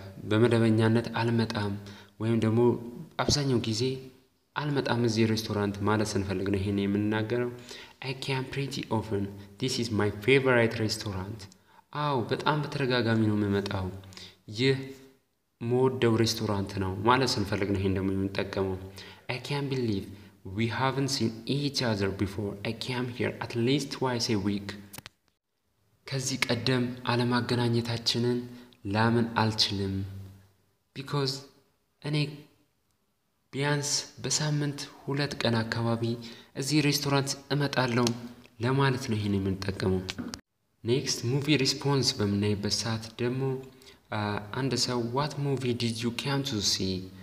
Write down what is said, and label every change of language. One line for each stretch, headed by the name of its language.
Amharic: በመደበኛነት አልመጣም ወይም ደግሞ አብዛኛው ጊዜ አልመጣም እዚህ ሬስቶራንት ማለት ስንፈልግ ነው ይሄን የምናገረው
English: I come pretty often this is my favorite restaurant
Amharic: አው በጣም በተደጋጋሚ ነው የምመጣው ይህ ሞደው ሬስቶራንት ነው ማለት ስንፈልግ ነው ይሄን ደግሞ የምንጠቀመው
English: I can't believe we haven't seen each other before. I came here at least twice a week.
Amharic: ከዚህ ቀደም አለማገናኘታችንን ላምን አልችልም because እኔ ቢያንስ በሳምንት ሁለት ቀን አካባቢ እዚህ ሬስቶራንት እመጣለሁ ለማለት ነው ይሄን የምንጠቀመው። Next movie response በምናይበት ሰዓት ደግሞ አንድ ሰው
English: what movie did you come to see?